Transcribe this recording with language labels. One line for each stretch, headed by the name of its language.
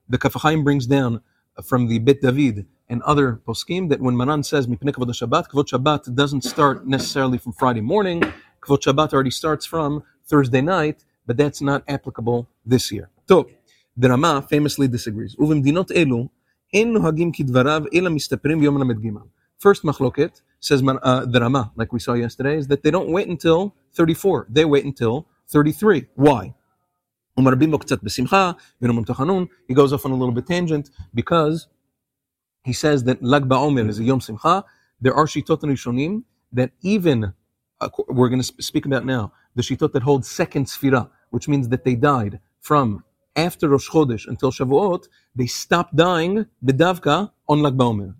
English: The Kaf HaChaim brings down from the Bet David and other poskim that when Maran says mipnei kavod haShabbat, kavod Shabbat doesn't start necessarily from Friday morning. Kavod Shabbat already starts from Thursday night, but that's not applicable this year. So, the Rama famously disagrees.
Hebrew: ובמדינות אלו, אין נוהגים כדבריו, אלא מסתפרים ביום למד גימל.
English: First מחלוקת, says the Rama, like we saw yesterday, is that they don't wait until 34. They wait until 33. Why?
Hebrew: ומרבים בו קצת בשמחה, ונאמרים תחנון.
English: He goes off on a little bit tangent, because he says that לג בעומר is a יום שמחה. There are שיטות ראשונים that even, we're going to speak about now, the שיטות that hold second ספירה, which means that they died from after Rosh Chodesh until Shavuot, they stopped dying bedavka on Lag Ba'Omer.